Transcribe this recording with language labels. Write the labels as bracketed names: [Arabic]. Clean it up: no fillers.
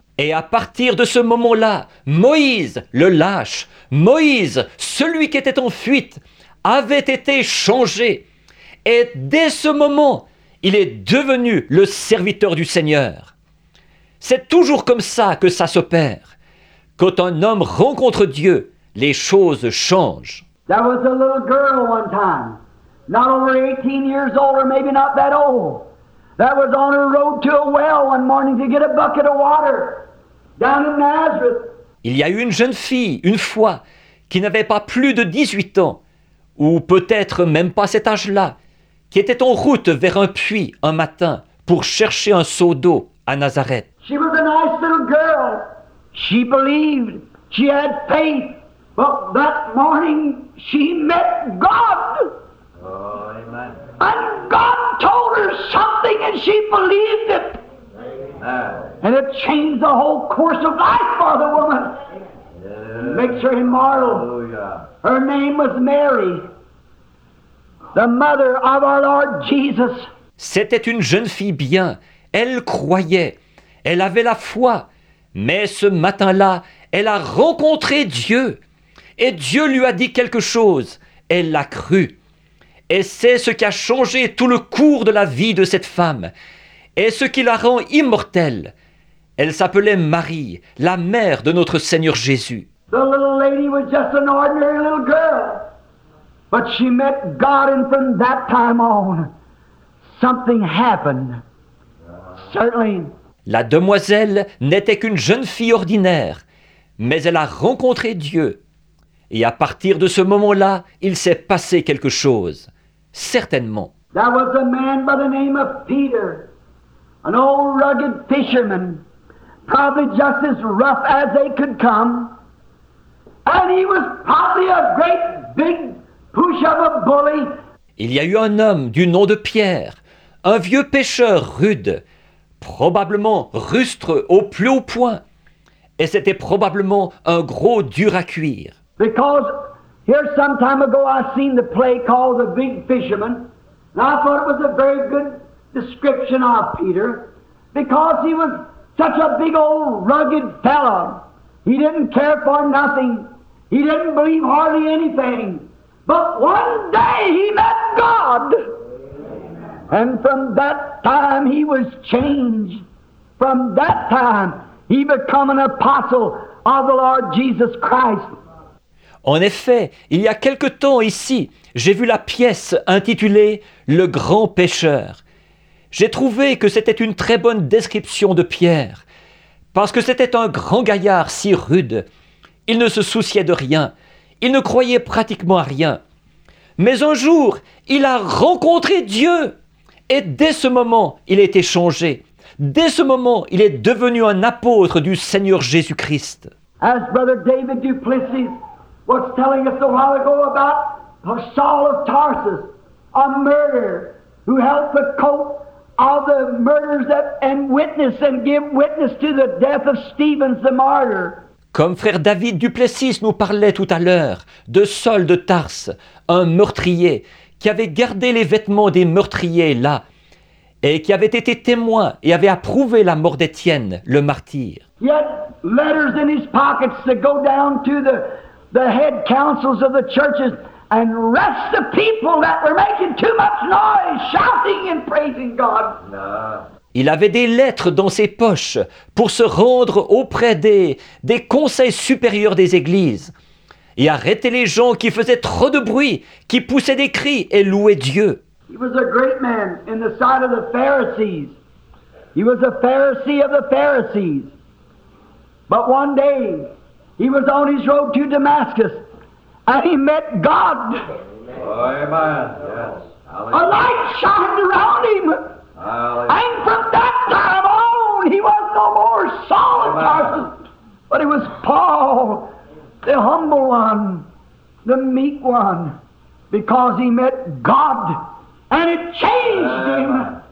[French] Et à partir de ce moment-là, Moïse, le lâche, Moïse, celui qui était en fuite, avait été changé. Et dès ce moment, il est devenu le serviteur du Seigneur. C'est toujours comme ça que ça s'opère. Quand un homme rencontre Dieu, les choses changent. [English] There was a little girl one time, not over 18 years old or maybe not that old, that was on her road to a well one morning to get a bucket of water down in Nazareth. [French] Il y a eu une jeune fille, une fois, qui n'avait pas plus de 18 ans, ou peut-être même pas cet âge-là, qui était en route vers un puits un matin pour chercher un seau d'eau à Nazareth. [English] She was a nice little girl. She believed. She had faith. But that morning she met God. Oh, amen. And God told her something and she believed it. Amen. And it changed the whole course of life for the woman. Yes. Makes her immortal. Hallelujah. Her name was Mary, the mother of our Lord Jesus. [French] C'était une jeune fille bien. Elle croyait. Elle avait la foi. Mais ce matin-là, elle a rencontré Dieu. Et Dieu lui a dit quelque chose. Elle l'a cru. Et c'est ce qui a changé tout le cours de la vie de cette femme. Et ce qui la rend immortelle. Elle s'appelait Marie, la mère de notre Seigneur Jésus. [English] The little lady was just an ordinary little girl. But she met God, and from that time on, something happened. Certainly. [French] La demoiselle n'était qu'une jeune fille ordinaire, mais elle a rencontré Dieu. Et à partir de ce moment-là, il s'est passé quelque chose. Certainement. [English] There was a man by the name of Peter, an old rugged fisherman, probably just as rough as they could come. And he was probably a great big push of a bully. [French] Il y a eu un homme du nom de Pierre, un vieux pêcheur rude, probablement rustre au plus haut point. Et c'était probablement un gros dur à cuire. [English] Because here some time ago I seen the play called The Big Fisherman. And I thought it was a very good description of Peter. Because he was such a big old rugged fellow. He didn't care for nothing. He didn't believe hardly anything. But one day he met God. And from that time he was changed. From that time he became an apostle of the Lord Jesus Christ. [French] En effet, il y a quelque temps ici, j'ai vu la pièce intitulée « Le grand pêcheur ». J'ai trouvé que c'était une très bonne description de Pierre, parce que c'était un grand gaillard si rude. Il ne se souciait de rien, il ne croyait pratiquement à rien. Mais un jour, il a rencontré Dieu. Et dès ce moment, il a été changé. Dès ce moment, il est devenu un apôtre du Seigneur Jésus-Christ. [English] As Brother David Duplessis was telling us a while ago about Saul of Tarsus, a murderer who held the coat of the murderers that and witnessed and gave witness to the death of Stephen the martyr. [French] Comme Frère David Duplessis nous parlait tout à l'heure de Saul de Tarse, un meurtrier qui avait gardé les vêtements des meurtriers là et qui avait été témoin et avait approuvé la mort d'Étienne, le martyr. [English] He had letters in his pockets to go down to the head councils of the churches and arrest the people that were making too much noise, shouting and praising God. [French] Il avait des lettres dans ses poches pour se rendre auprès des conseils supérieurs des églises et arrêter les gens qui faisaient trop de bruit, qui poussaient des cris et louaient Dieu. [English] He was a great man in the sight of the Pharisees. He was a Pharisee of the Pharisees. But one day, he was on his road to Damascus, and he met God. Oh, amen. Yes. A light shined around him. And from that time on, he was no more Saul of Tarsus, but he was Paul, the humble one, the meek one, because he met God, and it changed him.